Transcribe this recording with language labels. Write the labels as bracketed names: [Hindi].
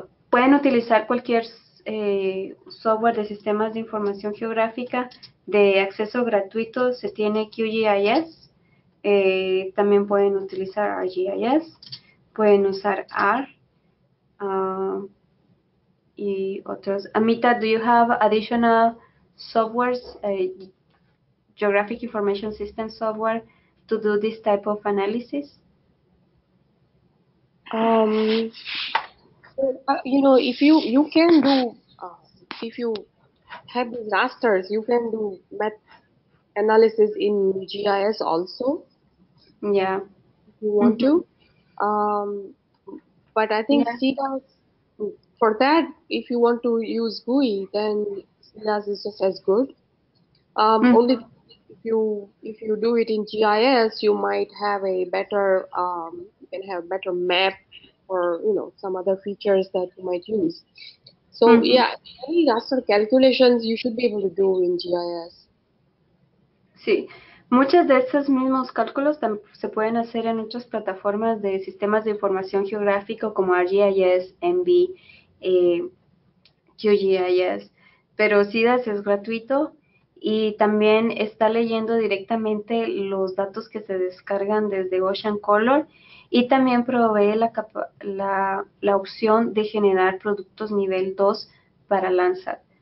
[Spanish] Pueden utilizar cualquier software de sistemas de información geográfica de acceso gratuito. Se tiene QGIS. También pueden utilizar GIS, pueden usar R y otros. [English] Amita, do you have additional softwares, Geographic Information System software, to do this type of analysis? You know, if you can do, if you have disasters, you can do met analysis in GIS also. Yeah, if you want to, but I think SIDAS, for that, if you want to use GUI, then SIDAS is just as good. Only if you do it in GIS, you might have a better better map or some other features that you might use. So any raster calculations you should be able to do in GIS. [Spanish] Sí. Muchos de estos mismos cálculos se pueden hacer en otras plataformas de sistemas de información geográfico como ArcGIS, ENVI, QGIS, pero SIDAS es gratuito y también está leyendo directamente los datos que se descargan desde OceanColor y también provee la opción de generar productos nivel 2 para Landsat.